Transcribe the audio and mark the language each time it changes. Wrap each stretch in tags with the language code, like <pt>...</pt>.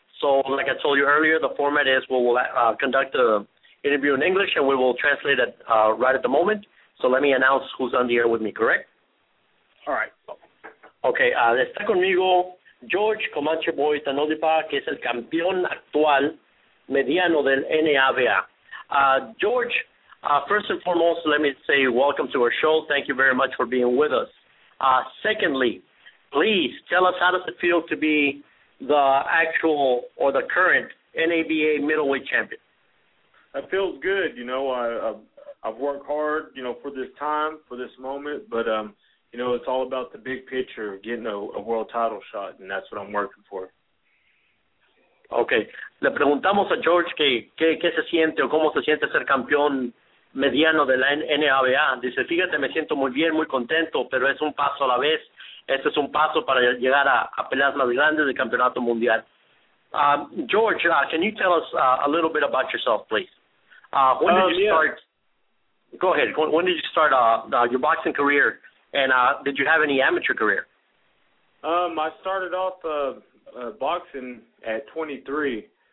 <en>So, like I told you earlier, the format is we'll conduct an interview in English, and we will translate it right at the moment. So let me announce who's on the air with me, correct? All right. Okay.</en> <es>Está conmigo George Comanche Boy Tanodipa, que es el campeón actual mediano del NABA.</es> <en>George, first and foremost, let me say welcome to our show. Thank you very much for being with us. Secondly, please tell us, how does it feel to be the actual or the current NABA middleweight champion? It feels good. You know, I've worked hard, you know, for this time, for this moment. But, you know, it's all about the big picture, getting a world title shot, and that's what I'm working for. Okay.</en> <es>Le preguntamos a George qué se siente o cómo se siente ser campeón mediano de la NABA. Dice, fíjate, me siento muy bien, muy contento, pero es un paso a la vez. Este es un paso para llegar a peleas más grandes del campeonato mundial.</es> <en>George, can you tell us a little bit about yourself, please? When did you start? Go ahead. When did you start your boxing career? And did you have any amateur career? I started off boxing at 23.</en>